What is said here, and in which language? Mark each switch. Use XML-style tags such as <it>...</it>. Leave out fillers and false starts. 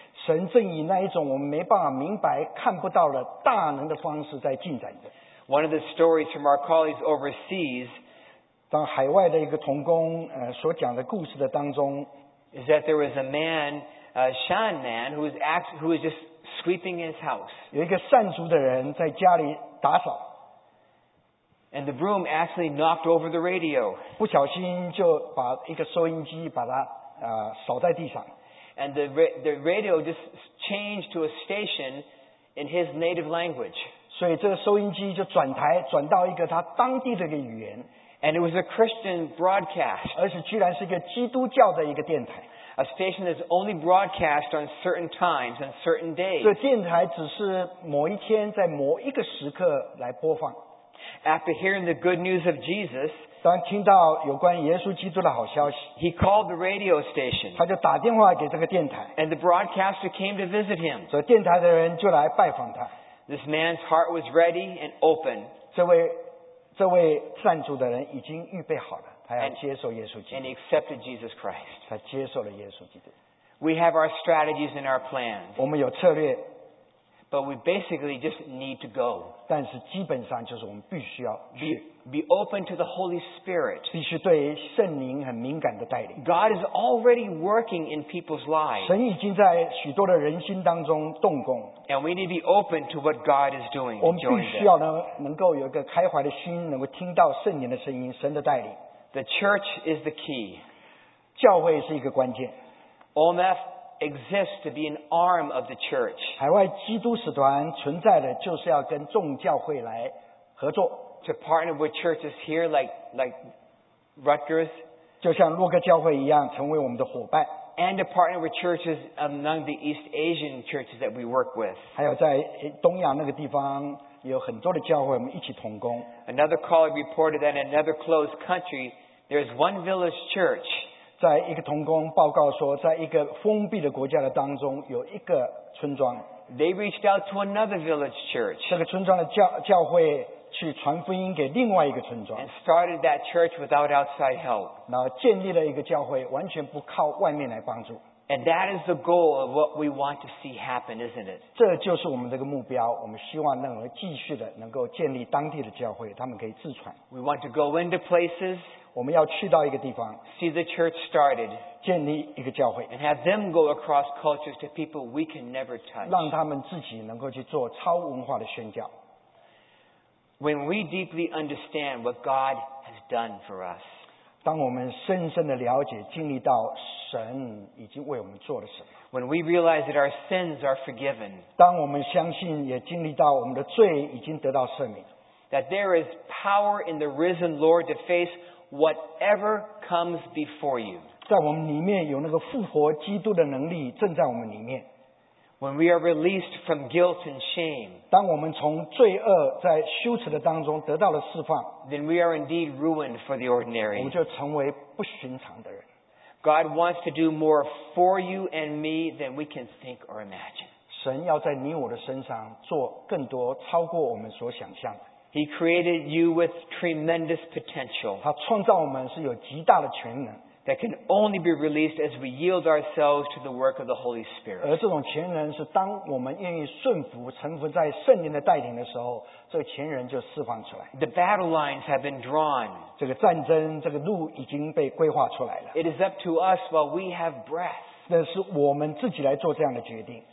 <zh>神正以那一种我们没办法明白、看不到的大能的方式在进展着。</zh> <en>One of the stories from our colleagues overseas,</en> <zh>当海外的一个同工所讲的故事的当中。</zh> <en>Is that there was a man, a Shan man, who was just sweeping his house.</en> <zh>有一个善族的人在家里打扫。</zh> <en>And the broom actually knocked over the radio.</en> <zh>不小心就把一个收音机把它扫在地上。</zh> <en>And the radio just changed to a station in his native language.</en> <zh>所以这个收音机就转台，转到一个他当地的一个语言。</zh> <en>And it was a Christian broadcast.</en> <zh>而且居然是一个基督教的一个电台。</zh> <en>A station that's only broadcast on certain times and certain days.</en> <zh>这电台只是某一天在某一个时刻来播放。</zh> <en>After hearing the good news of Jesus,</en> <zh>当听到有关耶稣基督的好消息</zh> <en>he called the radio station.</en> <zh>他就打电话给这个电台。</zh> <en>And the broadcaster came to visit him.</en> <zh>所以电台的人就来拜访他。</zh> <en>This man's heart was ready and open.</en> <zh>这位善主的人已经预备好了，他要接受耶稣基督。</zh> <en>And he accepted Jesus Christ.</en> <zh>他接受了耶稣基督。</zh> <en>We have our strategies and our plans.</en> <zh>我们有策略。</zh> <en>But we basically just need to go.</en> <zh>但是基本上就是我们必须要去。</zh> <en>Be open to the Holy Spirit.</en> <zh>必须对圣灵很敏感的带领。</zh> <en>God is already working in people's lives.</en> <zh>神已经在许多的人心当中动工。</zh> <en>And we need to be open to what God is doing.</en> <zh>我们必须要能够有一个开怀的心，能够听到圣灵的声音，神的带领。</zh> <en>The church is the key.</en> <zh>教会是一个关键。</zh> <en>OMF exists to be an arm of the church.</en> <zh>海外基督使团存在的就是要跟众教会来合作。</zh> <en>to partner with churches here like Rutgers,</en> <zh>就像洛克教会一样成为我们的伙伴。</zh> <en>And to partner with churches among the East Asian churches that we work with.</en> <zh>还有在东亚那个地方有很多的教会我们一起同工。</zh> <en>Another caller reported that in another closed country, there's one village church.</en> <zh>在一个同工报告说在一个封闭的国家的当中有一个村庄。</zh> <en>They reached out to another village church.</en> <zh>这个村庄的 教会去传福音给另外一个村庄。</zh> <en>And started that church without outside help.</en> <zh>然后建立了一个教会完全不靠外面来帮助。</zh> <en>And that is the goal of what we want to see happen, isn't it?</en> <zh>这就是我们这个目标，我们希望能够继续的能够建立当地的教会，他们可以自传。</zh> <en>We want to go into places.</en> <zh>我们要去到一个地方。</zh> <en>See the church started.</en> <zh>建立一个教会。</zh> <en>And have them go across cultures to people we can never touch.</en> <zh>让他们自己能够去做超文化的宣教。</zh> <en>When we deeply understand what God has done for us.</en> <zh>当我们深深的了解，经历到神已经为我们做了什么。</zh> <en>When we realize that our sins are forgiven.</en> <zh>当我们相信也经历到我们的罪已经得到赦免。</zh> <en>That there is power in the risen Lord to face whatever comes before you.</en> <zh>在我们里面有那个复活基督的能力正在我们里面。</zh> <en>When we are released from guilt and shame,</en> <zh>当我们从罪恶在羞耻的当中得到了释放,</zh> <en>then we are indeed ruined for the ordinary.</en> <zh>我们就成为不寻常的人。</zh> <en>God wants to do more for you and me than we can think or imagine.</en> <zh>神要在你我的身上做更多超过我们所想象的。</zh> <en>He created you with tremendous potential.</en> <zh>他创造我们是有极大的潜能。</zh> <en>That can only be released as we yield ourselves to the work of the Holy Spirit.</en> <zh>而这种全人是当我们愿意顺服臣服在圣灵的带领的时候这全人就释放出来。</zh> <en>The battle lines have been drawn.</en> <zh>这个战争这个路已经被规划出来了。</zh> <en>It is up to us while we have breath.</en> <zh>那是我们自己来做这样的决定。</zh>